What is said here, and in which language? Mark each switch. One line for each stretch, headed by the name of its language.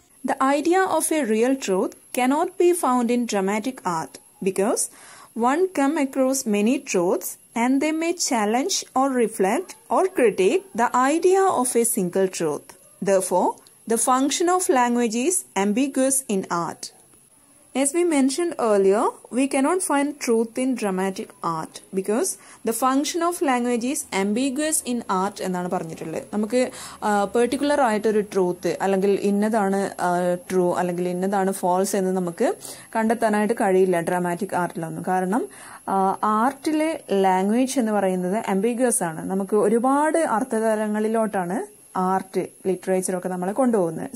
English: The idea of a real truth cannot be found in dramatic art because one come across many truths and they may challenge or reflect or critic the idea of a single truth. Therefore the function of language is ambiguous in art. As we mentioned earlier, we cannot find truth in dramatic art because the function of language is ambiguous in art
Malayalam: എന്നാണ് പറഞ്ഞിട്ടുള്ളത്. നമുക്ക് particular ആയിട്ടൊരു truth അല്ലെങ്കിൽ ഇന്നതാണ് true അല്ലെങ്കിൽ ഇന്നതാണ് false എന്ന് നമുക്ക് കണ്ടെത്താനായിട്ട് കഴിയില്ല ഡ്രാമാറ്റിക് ആർട്ടിലൊന്നും, കാരണം ആർട്ടിലെ ലാംഗ്വേജ് എന്ന് പറയുന്നത് ആംബിഗ്വസ് ആണ്. നമുക്ക് ഒരുപാട് അർത്ഥതലങ്ങളിലോട്ടാണ് ആർട്ട് ലിറ്ററേച്ചറൊക്കെ നമ്മളെ കൊണ്ടുപോകുന്നത്.